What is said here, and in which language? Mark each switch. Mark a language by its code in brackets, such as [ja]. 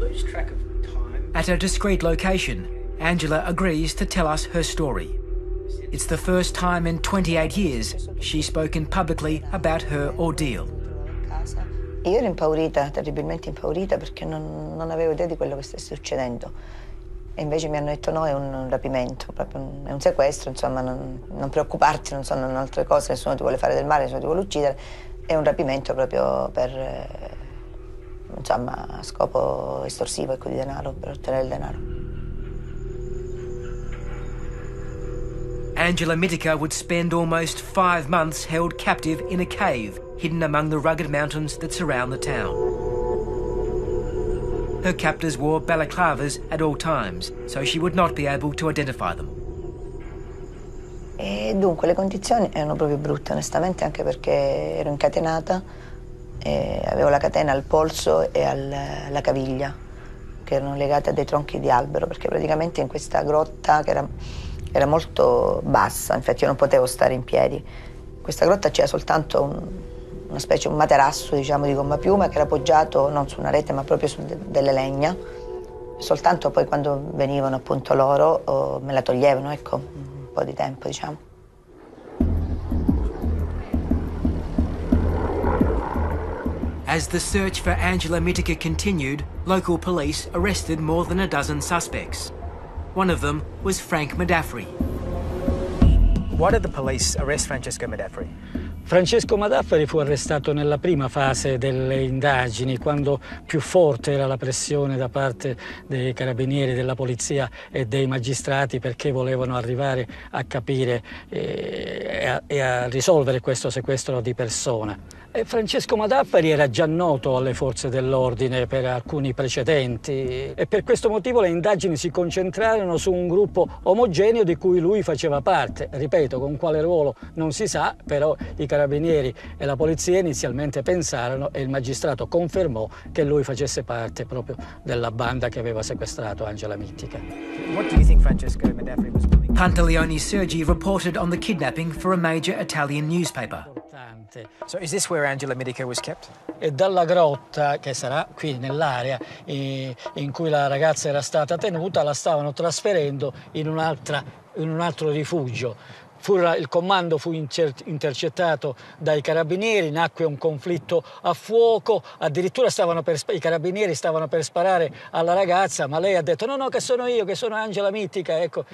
[en] Track of time. At a discreet location, Angela agrees to tell us her story. It's the first time in 28 years she's spoken publicly about her ordeal. [it] Io ero impaurita, terribilmente impaurita, perché non avevo idea di quello che stesse succedendo. E invece mi hanno detto no, è un rapimento, proprio è un sequestro, insomma, non preoccuparti, non sono altre cose, nessuno ti vuole fare del male, nessuno ti vuole uccidere, è un rapimento proprio per insomma, a scopo estorsivo, ecco, di denaro, per ottenere il denaro. [en] Angela Mitica would spend almost 5 months held captive in a cave hidden among the rugged mountains that surround the town. Her captors wore balaclavas at all times, so she would not be able to identify them. [it] E dunque, le condizioni erano proprio brutte, onestamente, anche perché ero incatenata. E avevo la catena al polso e alla caviglia che erano legate a dei tronchi di albero perché praticamente in questa grotta che era molto bassa, infatti io non potevo stare in piedi. In questa grotta c'era soltanto una specie, un materasso, diciamo, di gomma piuma che era appoggiato non su una rete ma proprio su delle legna. Soltanto poi quando venivano appunto loro me la toglievano, ecco, un po' di tempo, diciamo. [en] As the search for Angela Mitica continued, local police arrested more than a dozen suspects. One of them was Frank Madaffri. Why did the police arrest Francesco Madaffri? [it] Francesco Madaffari fu arrestato nella prima fase delle indagini, quando più forte era la pressione da parte dei carabinieri, della polizia e dei magistrati, perché volevano arrivare a capire e a risolvere questo sequestro di persona. E Francesco Madaffari era già noto alle forze dell'ordine per alcuni precedenti e per questo motivo le indagini si concentrarono su un gruppo omogeneo di cui lui faceva parte. Ripeto, con quale ruolo non si sa, però i carabinieri e la polizia inizialmente pensarono, e il magistrato confermò, che lui facesse parte proprio della banda che aveva sequestrato Angela Mittica. [en] What do you think Francesco Madaffari was doing? Pantaleone Sergi reported on the kidnapping for a major Italian newspaper. So is this where Angela Mittica was kept? [it] E dalla grotta, che sarà qui nell'area in cui la ragazza era stata tenuta, la stavano trasferendo in un altro rifugio. Il comando fu intercettato dai carabinieri, nacque un conflitto a fuoco, addirittura i carabinieri stavano per sparare alla ragazza, ma lei ha detto no, che sono io, che sono Angela Mittica, ecco.